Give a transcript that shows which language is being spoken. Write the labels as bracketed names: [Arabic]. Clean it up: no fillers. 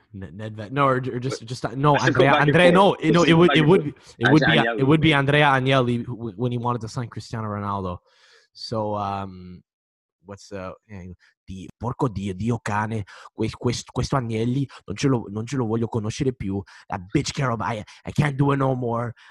[English] Nedved, no, or just no, Andrea, no, it would be Andrea Agnelli when he wanted to sign Cristiano Ronaldo. So, what's the [Italian] di porco dio cane, questo Agnelli non ce lo voglio conoscere più. [English] That bitch Carol, I can't do it no more.